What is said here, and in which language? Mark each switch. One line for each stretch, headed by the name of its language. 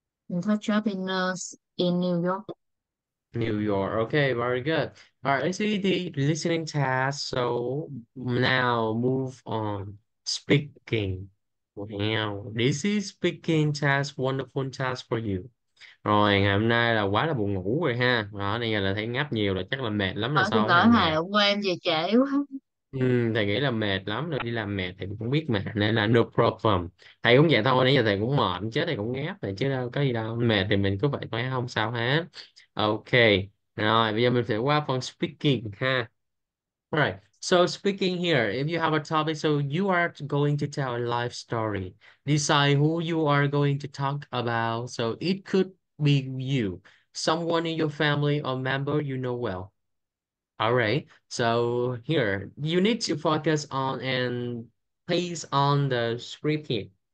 English: And third job in nurse in New York. New York. Okay, very good. All right, let's see the listening task. So now move on. Speaking. Wow, this is speaking task, wonderful task for you.
Vietnamese: Rồi, ngày hôm nay là quá là buồn ngủ rồi ha. Đó, nên giờ là thấy ngáp nhiều là chắc là mệt lắm là sao thì ngày hài quen về trễ quá. Thầy nghĩ là mệt lắm rồi, đi làm mệt thì cũng biết mà. Nên là
English: no problem.
Vietnamese: Thầy cũng vậy thôi, nãy giờ thầy cũng mệt, chết thầy cũng ngáp thầy chứ đâu có gì đâu. Mệt thì mình cứ vậy thôi, không sao hết. Ok, rồi bây giờ mình sẽ qua phần speaking ha.
English: Alright. So speaking here, if you have a topic, so you are going to tell a life story. Decide who you are going to talk about. So it could be you, someone in your family or member you know well. All right. So here, you need to focus on and paste on the speaking.